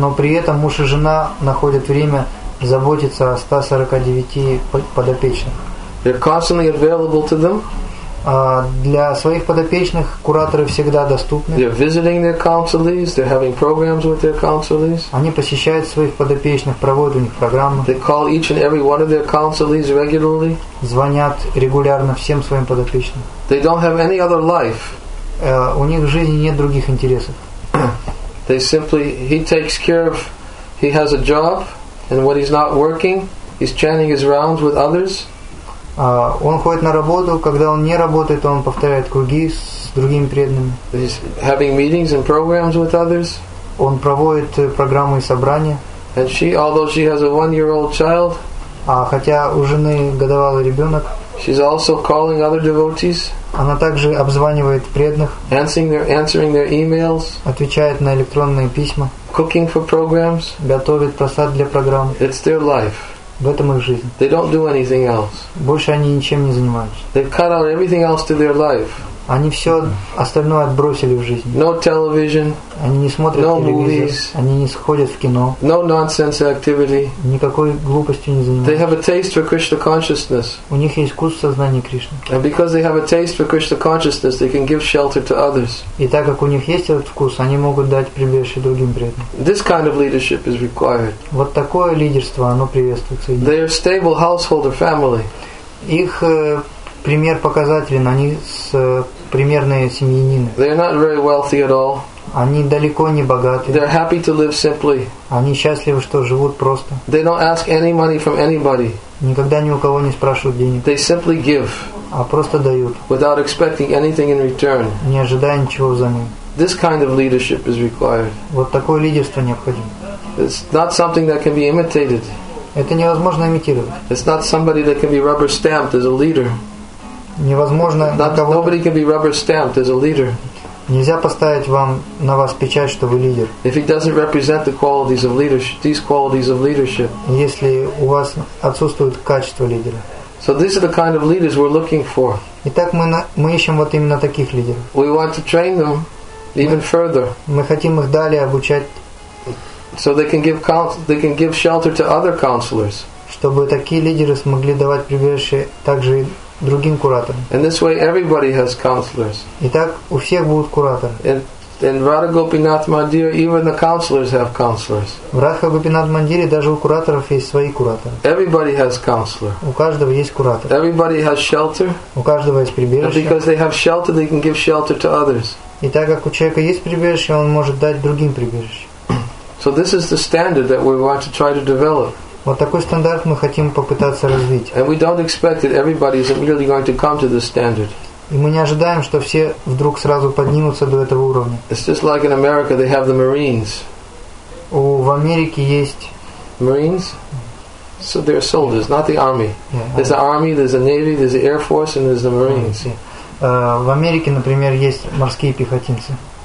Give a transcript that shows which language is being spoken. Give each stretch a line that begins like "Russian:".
Russian: Но при этом муж и жена находят время заботиться о 149 подопечных.
English: They're constantly available to them.
Russian: Для своих подопечных кураторы всегда доступны.
English: They're visiting their counselees, they're having programs with their counselees.
Russian: Они посещают своих подопечных, проводят у них программы.
English: They call each and every one of their counselees regularly.
Russian: Звонят регулярно всем своим подопечным.
English: They don't have any other life.
Russian: у них в жизни нет других интересов.
English: They simply, he takes care of, he has a job, and when he's not working, he's chanting his rounds with others.
Russian: Он ходит на работу, когда он не работает, он повторяет круги с другими преданными.
English: He's having meetings and programs with others.
Russian: Он проводит программы и собрания.
English: And she, although she has a one-year-old child,
Russian: хотя у жены годовалый ребенок,
English: she's also calling other devotees.
Russian: Она также обзванивает преданных.
English: Answering their emails.
Russian: Отвечает на электронные письма.
English: Cooking for programs.
Russian: Готовит просад для программ.
English: It's their life.
Russian: В этом их жизнь.
English: They don't do anything else.
Russian: Больше они ничем не занимаются.
English: They've cut out everything else to their life.
Russian: Они все остальное отбросили в жизни.
English: No television.
Russian: Они не смотрят
English: no
Russian: телевизор.
English: Movies.
Russian: Они не сходят в кино.
English: No nonsense activity.
Russian: Никакой глупостью не занимаются.
English: They have a taste for Krishna consciousness.
Russian: У них есть вкус сознания Кришны.
English: And because they have a taste for Krishna consciousness, they can give shelter to others.
Russian: И так как у них есть этот вкус, они могут дать прибежище другим преданным.
English: This kind of leadership is required.
Russian: Вот такое лидерство, оно приветствуется.
English: They are stable household or family.
Russian: Их пример показателен, они с примерные семьянины.
English: They are not very wealthy at all.
Russian: Они далеко не богаты.
English: They are happy to live simply.
Russian: Они счастливы, что живут просто.
English: They don't ask any money from anybody.
Russian: Никогда ни у кого не спрашивают денег.
English: They simply give.
Russian: А просто дают.
English: Without expecting anything in return.
Russian: Не ожидая ничего взамен.
English: This kind of leadership is required.
Russian: Вот такое лидерство необходимо.
English: It's not something that can be imitated.
Russian: Это невозможно имитировать.
English: It's not somebody that can be rubber stamped as a leader.
Russian: Невозможно на кого-то.
English: Nobody can be rubber stamped as a leader.
Russian: Нельзя поставить вам на вас печать, что вы лидер.
English: If he doesn't represent the qualities of leadership, these qualities of leadership.
Russian: Если у вас отсутствует качество лидера.
English: So these are the kind of leaders we're looking for.
Russian: Итак, мы ищем вот именно таких лидеров.
English: We want to train them even further.
Russian: Мы хотим их далее обучать.
English: So they can give shelter to other counselors.
Russian: Чтобы такие лидеры смогли давать прибежище также другим кураторам.
English: And this way everybody has counselors.
Russian: Итак, у всех будут кураторы.
English: In Radha Gopinath Mandir, even the counselors have counselors.
Russian: В Радха Гопинат Мандире даже у кураторов есть свои кураторы.
English: Everybody has counselor.
Russian: У каждого есть куратор.
English: Everybody has shelter.
Russian: У каждого есть прибежище.
English: And because they have shelter, they can give shelter to others.
Russian: И так как у человека есть прибежище, он может дать другим прибежище.
English: So this is the standard that we want to try to develop.
Russian: Вот такой стандарт мы хотим попытаться развить.
English: And we don't expect that everybody is really going to come to this standard.
Russian: И мы не ожидаем, что все вдруг сразу поднимутся до этого уровня.
English: It's just like in America, they have the Marines.
Russian: В Америке есть
English: Marines? So they're soldiers, not the army. Yeah, there's the army, there's the navy, there's the air force, and there's the Marines.
Russian: В Америке, например, есть морские пехотинцы.